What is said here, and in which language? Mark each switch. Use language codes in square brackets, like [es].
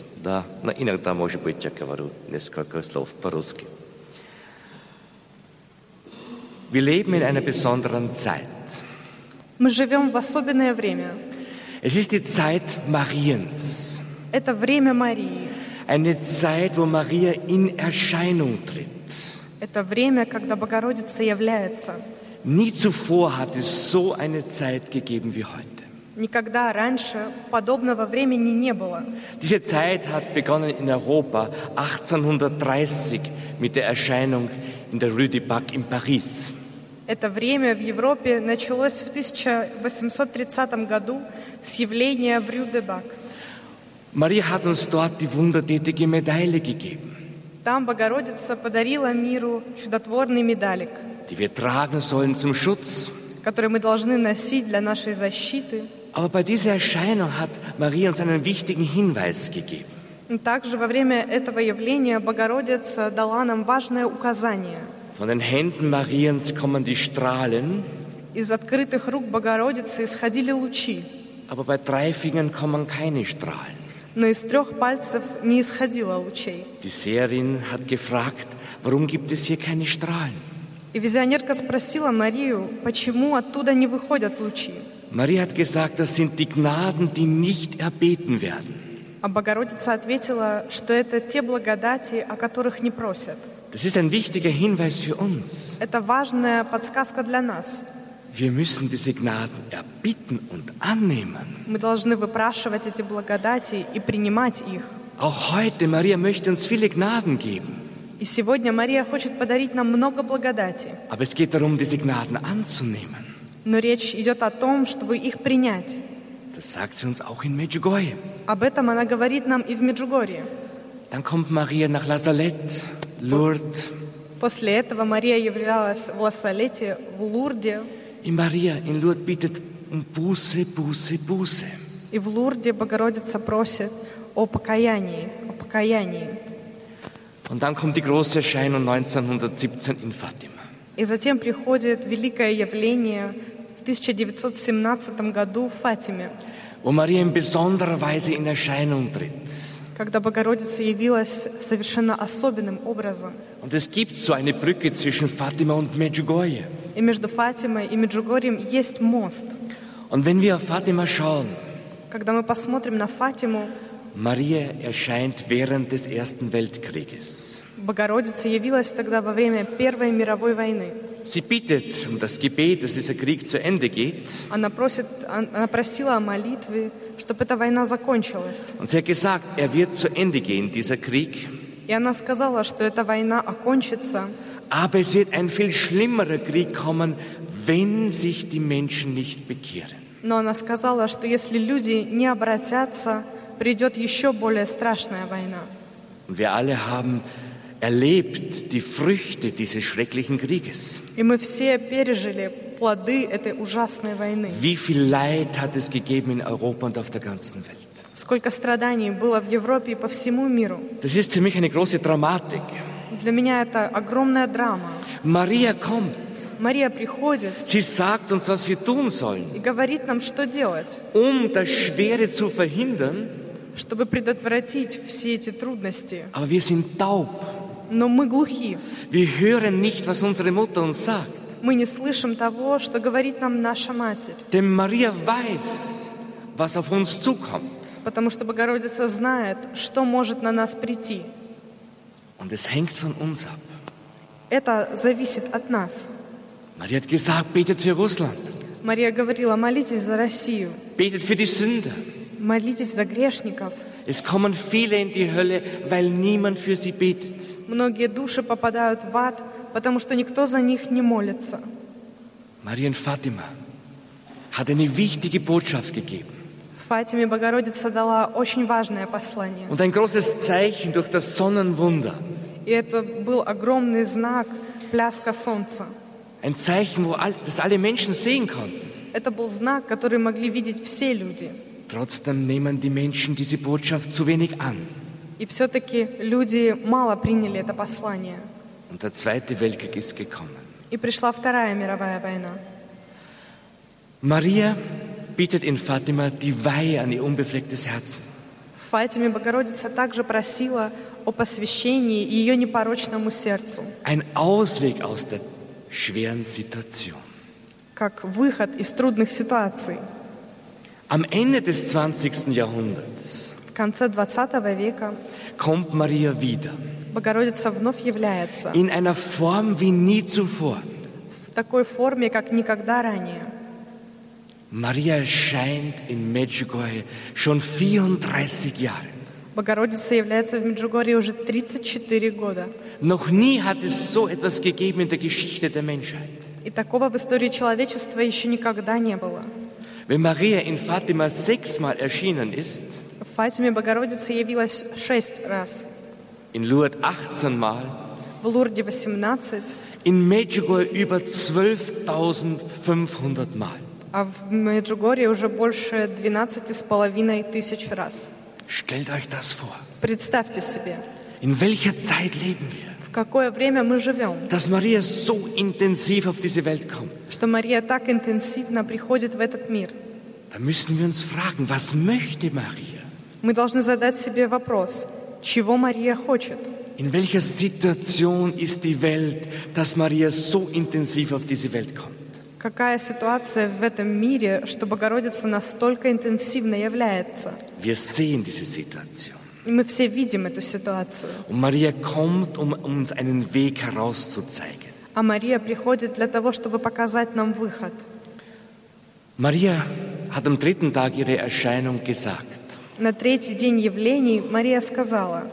[ru] Да, но иногда, может быть, я говорю несколько слов по-русски. [de] Wir leben in einer besonderen Zeit. [ru] Мы живем в особенное время. [de] Es ist die Zeit Mariens. [ru] Это время Марии. [de] Eine Zeit, wo Maria in Erscheinung tritt. [ru] Это время, когда Богородица является. [de] Nie zuvor hat es so eine Zeit gegeben wie heute. [ru] Никогда раньше подобного времени не было. [de] Diese Zeit hat begonnen in Europa 1830 mit der Erscheinung in der Rue du Bac in Paris. [ru] Это время в Европе началось в 1830 году с явления в Rue du Bac. [de] Maria hat uns dort die wundertätige Medaille gegeben. [ru] Там Богородица подарила миру чудотворный медалик, [de] die wir tragen sollen zum Schutz, [ru] который мы должны носить для нашей защиты. [de] Aber bei dieser Erscheinung hat Maria uns einen wichtigen Hinweis gegeben. [ru] Und также во время этого явления Богородица дала нам важное указание. [de] Von den Händen Mariens kommen die Strahlen. [ru] Из открытых рук Богородицы исходили лучи. [de] Aber bei drei Fingern kommen keine Strahlen. [ru] Но из трех пальцев не исходило лучей. [de] Die Seherin hat gefragt, warum gibt es hier keine Strahlen? [ru] И визионерка спросила Марию, почему оттуда не выходят лучи. [de] Maria hat gesagt, das sind die Gnaden, die nicht erbeten werden. [ru] А Богородица ответила, что это те благодати, о которых не просят. [de] Das ist ein wichtiger Hinweis für uns. [ru] Это важная подсказка для нас. [de] Wir müssen diese Gnaden erbitten und annehmen. [ru] Мы должны выпрашивать эти благодати и принимать их. [de] Auch heute Maria möchte uns viele Gnaden geben. [ru] И сегодня Мария хочет подарить нам много благодати. [de] Aber es geht darum, diese Gnaden anzunehmen. [ru] Но речь идет о том, чтобы их принять. [de] Das sagt sie uns auch in Medjugorje. [ru] Об этом она говорит нам и в Меджугорье. [de] Dann kommt Maria nach Lazaret, Lourdes. [ru] После этого Мария являлась в Лазарете, в Лурде. И Мария [de] in Lourdes bittet um Buße, Buße, Buße. [ru] И в Лурде Богородица просит о покаянии, о покаянии. [de] Und dann kommt die große Erscheinung 1917 in Fatima. [ru] И затем приходит великое явление в 1917 году в Фатиме, [de] wo Maria in besonderer Weise in Erscheinung tritt. [ru] Когда Богородица явилась совершенно особенным образом. [de] Und es gibt so eine Brücke zwischen Fatima und Medjugorje. [ru] И между Фатимой и Меджугорьем есть мост. [de] Und wenn wir auf Fatima schauen, [ru] когда мы посмотрим на Фатиму, [de] Maria erscheint während des Ersten Weltkrieges. [ru] Богородица явилась тогда во время Первой мировой войны. [de] Sie bittet um das Gebet, dass dieser Krieg zu Ende geht. [ru] Она просит, она просила о молитве, чтобы эта война закончилась. [de] Und sie hat gesagt, er wird zu Ende gehen, dieser Krieg. [ru] И она сказала, что эта война окончится. [de] Aber es wird ein viel schlimmerer Krieg kommen, wenn sich die Menschen nicht bekehren. [ru] Но она сказала, что если люди не обратятся, придет еще более страшная война. [de] Und wir alle haben erlebt die Früchte dieses schrecklichen Krieges. [ru] И мы все пережили плоды этой ужасной войны. [de] Wie viel Leid hat es gegeben in Europa und auf der ganzen Welt? [ru] Сколько страданий было в Европе и по всему миру? [de] Das ist für mich eine große Dramatik. [ru] Для меня это огромная драма. [de] Maria kommt. [ru] Maria приходит. [de] Sie sagt uns, was wir tun sollen. [ru] И говорит нам, что делать. [de] Um das Schwere zu verhindern. [ru] Чтобы предотвратить все эти трудности. [de] Aber wir sind taub. [ru] Но мы глухи. [de] Wir hören nicht, was unsere Mutter uns sagt. [ru] Мы не слышим того, что говорит нам наша Матерь. [de] Denn Maria weiß, was auf uns zukommt. [ru] Потому что Богородица знает, что может на нас прийти. [de] Und es hängt von uns ab. [ru] Это зависит от нас. [de] Maria hat gesagt, betet für Russland. [ru] Maria говорила, молитесь за Россию. [de] Betet für die Sünder. [ru] Молитесь за грешников. [de] Es kommen viele in die Hölle, weil niemand für sie betet. [ru] Многие души попадают в ад, потому что никто за них не молится. [de] Maria und Fatima hat eine wichtige Botschaft gegeben. [ru] Фатиме Богородица дала очень важное послание. [de] Und ein großes Zeichen durch das Sonnenwunder. [ru] И это был огромный знак, пляска солнца. [de] Ein Zeichen, wo all, das alle Menschen sehen konnten. [ru] Это был знак, который могли видеть все люди. [de] Trotzdem nehmen die Menschen diese Botschaft zu wenig an. [ru] И все-таки люди мало приняли это послание. [de] Und der Zweite Weltkrieg ist gekommen. [ru] И пришла Вторая мировая война. [de] Maria bittet in Fatima die Weihe an ihr unbeflecktes Herz. [ru] Фатиме Богородица также просила о посвящении ее непорочному сердцу. [de] Ein Ausweg aus der schweren Situation. [ru] Как выход из трудных ситуаций. [de] Am Ende des 20. Jahrhunderts. [ru] В конце 20 века. [de] Kommt Maria wieder. [ru] Богородица вновь является. [de] In einer Form wie nie zuvor. [ru] В такой форме, как никогда ранее. [de] Maria erscheint in Medjugorje schon 34 Jahre. [ru] Богородица является в Меджугорье уже 34 года. [de] Noch nie hat es so etwas gegeben in der Geschichte der Menschheit. [ru] И такого в истории человечества еще никогда не было. [de] Wenn Maria in Fatima sechsmal erschienen ist, [ru] в Фатиме Богородица явилась 6 раз. [de] In Lourdes 18 Mal, [ru] в Лурде 18, [de] in Medjugorje über 12.500 Mal. [ru] А в Меджугорье уже больше 12,5 тысяч раз. [de] Stellt euch das vor. [ru] Представьте себе. [de] In welcher Zeit leben wir? [ru] В какое время мы живем? [de] Dass Maria so intensiv auf diese Welt kommt. [ru] Что Мария так интенсивно приходит в этот мир. [de] Da müssen wir uns fragen, was möchte Maria? [ru] Мы должны задать себе вопрос, чего Мария хочет? [de] In welcher Situation ist die Welt, dass Maria so intensiv auf diese Welt kommt? [ru] Какая ситуация в этом мире, что Богородица настолько интенсивно является? [de] Wir sehen diese Situation. [ru] И мы все видим эту ситуацию. [de] Und Maria kommt, um uns einen Weg herauszuzeigen. [ru] А Мария приходит для того, чтобы показать нам выход. [de] Maria hat am dritten Tag ihre Erscheinung gesagt. [ru] На третий день явлений Мария сказала.